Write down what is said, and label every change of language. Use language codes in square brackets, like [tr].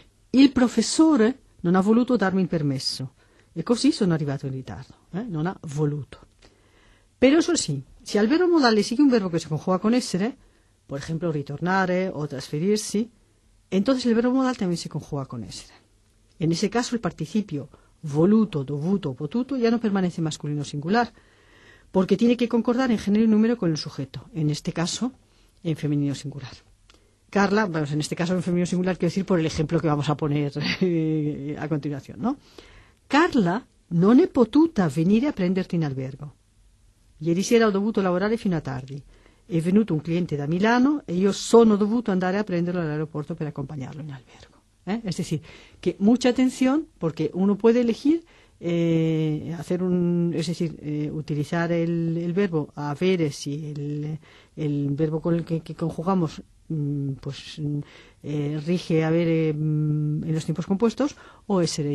[it] Il professore non ha voluto darmi il permesso. E così sono arrivato in ritardo, non ha voluto. [es] Pero eso sí, si al verbo modal le sigue un verbo que se conjuga con essere, por ejemplo, ritornare o trasferirsi, entonces el verbo modal también se conjuga con essere. En ese caso, el participio voluto, dovuto o potuto ya no permanece masculino singular, porque tiene que concordar en género y número con el sujeto, en este caso, en femenino singular. Carla, vamos, en este caso en femenino singular, quiero decir por el ejemplo que vamos a poner a continuación, ¿no? [it] Carla non è potuta venire a prenderti in albergo. Ieri sera ho dovuto lavorare fino a tardi è venuto un cliente da Milano e io sono dovuto andare a prenderlo all'aeroporto per accompagnarlo in albergo. [es] Es decir, que mucha atención, porque uno puede elegir hacer un, es decir, utilizar el verbo haber, si el verbo con el que conjugamos pues rige haber en los tiempos compuestos, o esere.